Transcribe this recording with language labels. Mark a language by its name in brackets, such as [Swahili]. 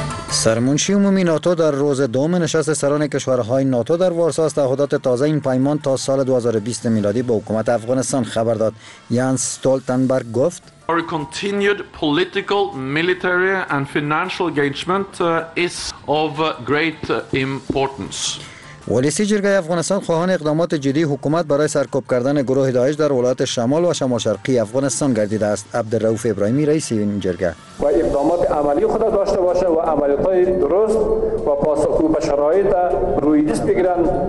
[Persian] سرمنشی عمومی ناتو در روز دوم نشست سران کشورهای ناتو در وارسا از تعهدات تازه این پیمان تا سال 2020 میلادی به حکومت افغانستان خبر داد. ینس استولتنبرگ گفت [English] Our continued political, military and financial engagement is of great importance. [Persian] ولسی جرگه افغانستان خواهان اقدامات جدی حکومت برای سرکوب کردن گروه داعش در ولایت شمال و شمال شرقی افغانستان گردیده است. عبدالرؤوف ابراهیمی، رئیس این جرگه، و اقدامات عملی خود داشته باشه و عملیاتی درست و پاسخگو به شرایط روی دست بگیرند.